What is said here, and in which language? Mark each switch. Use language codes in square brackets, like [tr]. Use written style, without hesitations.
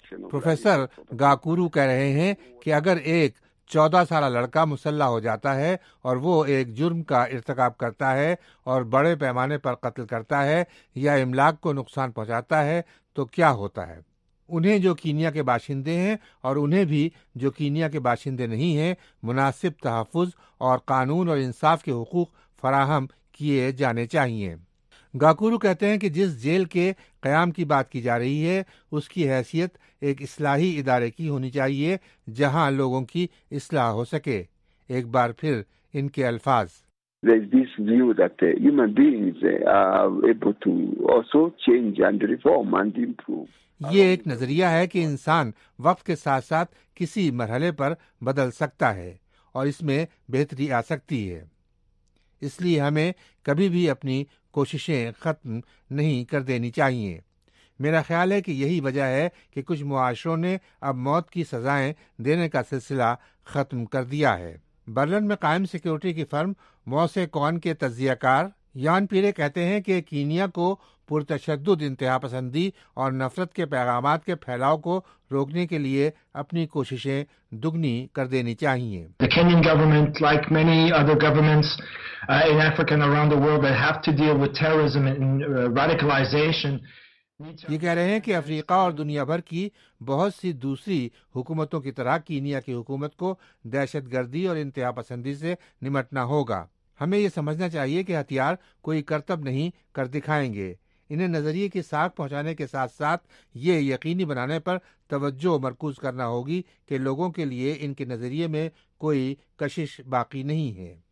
[ur] Professor گاکورو کہہ رہے ہیں کہ اگر ایک 14 سالہ لڑکا مسلح ہو جاتا ہے اور وہ ایک جرم کا ارتکاب کرتا ہے اور بڑے پیمانے پر قتل کرتا ہے یا املاک کو نقصان پہنچاتا ہے تو کیا ہوتا ہے؟ انہیں جو کینیا کے باشندے ہیں اور انہیں بھی جو کینیا کے باشندے نہیں ہیں مناسب تحفظ اور قانون اور انصاف کے حقوق فراہم کیے جانے چاہیے. گاکورو کہتے ہیں کہ جس جیل کے قیام کی بات کی جا رہی ہے اس کی حیثیت ایک اصلاحی ادارے کی ہونی چاہیے جہاں لوگوں کی اصلاح ہو سکے. ایک بار پھر ان کے الفاظ. [en] There is this view that human beings are able to also change and reform and improve. [ur] یہ ایک نظریہ ہے کہ انسان وقت کے ساتھ ساتھ کسی مرحلے پر بدل سکتا ہے اور اس میں بہتری آ سکتی ہے. اس لیے ہمیں کبھی بھی اپنی کوششیں ختم نہیں کر دینی چاہیے. میرا خیال ہے کہ یہی وجہ ہے کہ کچھ معاشروں نے اب موت کی سزائیں دینے کا سلسلہ ختم کر دیا ہے. برلن میں قائم سیکیورٹی کی فرم موسے کون کے تجزیہ کار یان پیرے کہتے ہیں کہ کینیا کو پرتشدد انتہا پسندی اور نفرت کے پیغامات کے پھیلاؤ کو روکنے کے لیے اپنی کوششیں دگنی کر دینی چاہیے. [en] The Kenyan government, like many other governments in Africa and around the world that have to deal with terrorism and radicalization. [ur] یہ کہہ رہے ہیں کہ افریقہ اور دنیا بھر کی بہت سی دوسری حکومتوں کی طرح کینیا کی حکومت کو دہشت گردی اور انتہا پسندی سے نمٹنا ہوگا. ہمیں یہ سمجھنا چاہیے کہ ہتھیار کوئی کرتب نہیں کر دکھائیں گے. انہیں نظریے کی ساکھ پہنچانے کے ساتھ ساتھ یہ یقینی بنانے پر توجہ مرکوز کرنا ہوگی کہ لوگوں کے لیے ان کے نظریے میں کوئی کشش باقی نہیں ہے.